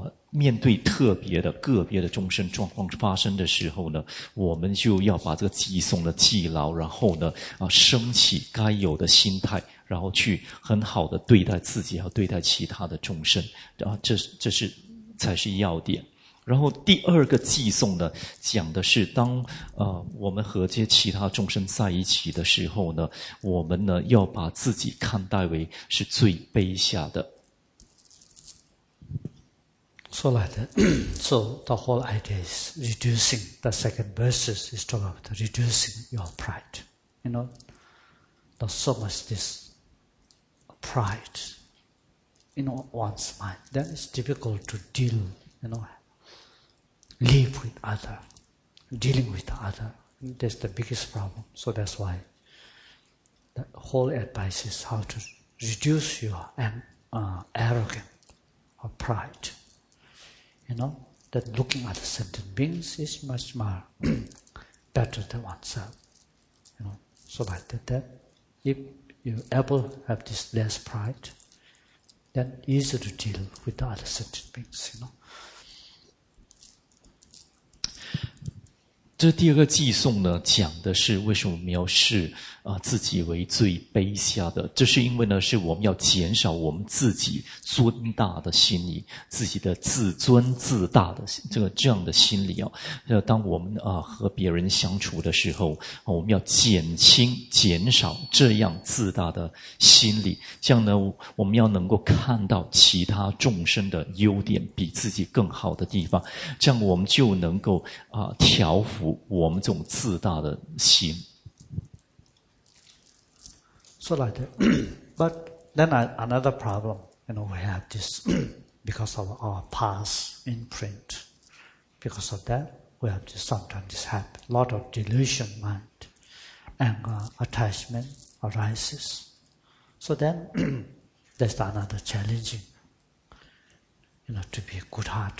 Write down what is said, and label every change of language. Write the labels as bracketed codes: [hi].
[zh] 面对特别的个别的众生状况发生的时候呢，我们就要把这个寄送的寄牢，然后呢升起该有的心态，然后去很好的对待自己，要对待其他的众生啊，这是才是要点。然后第二个寄送呢，讲的是当我们和这些其他众生在一起的时候呢，我们呢要把自己看待为是最卑下的。 [en] So like that. So the whole idea is reducing the second verses is talking about reducing your pride. You know, not so much this pride in one's mind. Then it's difficult to deal, you know, live with other, dealing with other. That's the biggest problem. So that's why the whole advice is how to reduce your arrogance or pride. You know, that looking at the sentient beings is much more better than oneself. You know, so like that, if you ever have this less pride, then easier to deal with the other sentient beings, you know. [zh] 这第二个寄送呢，讲的是为什么我们要视自己为最卑下的，这是因为呢，是我们要减少我们自己尊大的心理，自己的自尊自大的这样的心理啊。当我们和别人相处的时候，我们要减少这样自大的心理，这样呢，我们要能够看到其他众生的优点，比自己更好的地方，这样我们就能够调伏我们这种自大的心。 [en] So like that, but then another problem, you know, we have this because of our past imprint. Because of that, we have to sometimes have a lot of delusion mind. Anger, attachment arises. So then, there's another challenging, you know, to be a good heart.